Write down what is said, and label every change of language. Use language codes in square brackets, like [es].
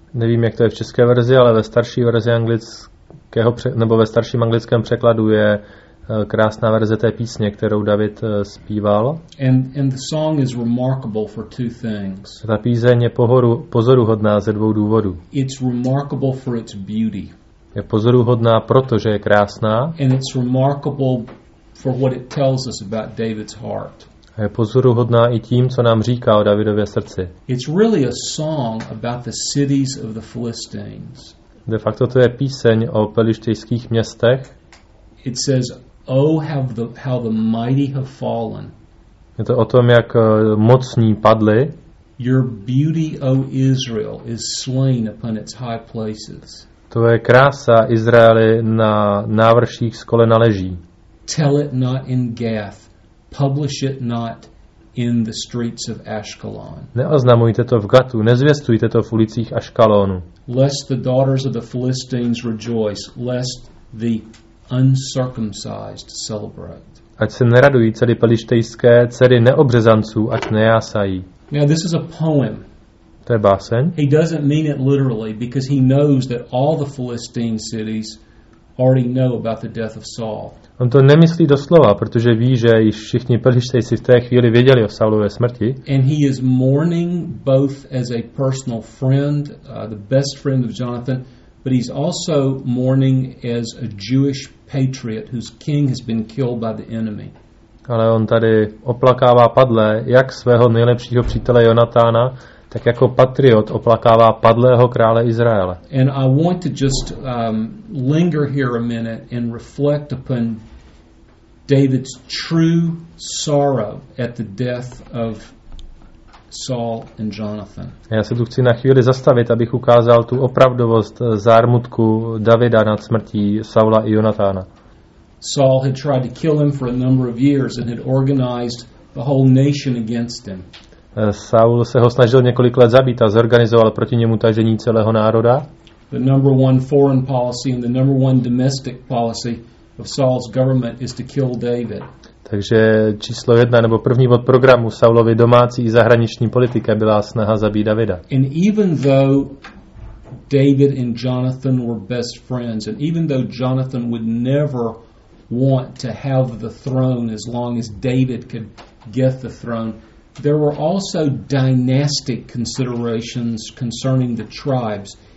[cs] Nevím, jak to je v české verzi, ale ve starší verzi anglického nebo ve starším anglickém překladu je krásná verze té písně, kterou David zpíval. [en] And the song is remarkable for two things. [cs] Ta píseň je pozoruhodná ze dvou důvodů. [en] It's remarkable for its beauty. [cs] Je pozoruhodná proto, že je krásná. [en] And it's remarkable for what it tells us about David's heart. [cs] A je pozoruhodná i tím, co nám říká o Davidově srdci. [en] It's really a song about the cities of the Philistines. [cs] De facto to je píseň o pelištejských městech. [en] It says, "Oh, how the mighty have fallen." [cs] Je to o tom, jak mocní padli. [en] Your beauty, O Israel, is slain upon its high places. [cs] Tvoje krása, Izraeli, na návrších skolena leží. [en] Tell it not in Gath, publish it not in the streets of Ashkelon. [cs] Neoznamujte to v Gatu, nezvěstujte to v ulicích Ashkelonu. [en] Lest the daughters of the Philistines rejoice, lest the uncircumcised celebrate. [cs] Ať se neradují celé pelištejské dcery neobřezanců, ať nejásají. [en] Now this is a poem. [cs] To je báseň. [en] He doesn't mean it literally because he knows that all the Philistine cities already know about the death of Saul. [cs] On to nemyslí doslova, protože ví, že již všichni pelištejci v té chvíli věděli o Saulově smrti. [en] And he is mourning both as a personal friend, the best friend of Jonathan, but he's also mourning as a Jewish patriot whose king has been killed by the enemy. [cs] Ale on tady oplakává padlé jak svého nejlepšího přítele Jonatána, tak jako patriot oplakává padlého krále Izraele. [en] And I want to just linger here a minute and reflect upon David's true sorrow at the death of Saul and Jonathan. [cs] Já se tu chci na chvíli zastavit, abych ukázal tu opravdovost zármutku Davida nad smrtí Saula i Jonatána. [en] Saul had tried to kill him for a number of years and had organized the whole nation against him. [cs] Saul se ho snažil několik let zabít a zorganizoval proti němu tažení celého národa. [en] The number one foreign policy and the number one domestic policy of Saul's government is to kill David. [cs] Takže číslo jedna nebo první bod programu Saulovy domácí i zahraniční politika byla snaha zabít Davida. [en] And even though David and Jonathan were best friends, and even though Jonathan would never want to have the throne as long as David could get the throne, there were also dynastic considerations concerning the tribes.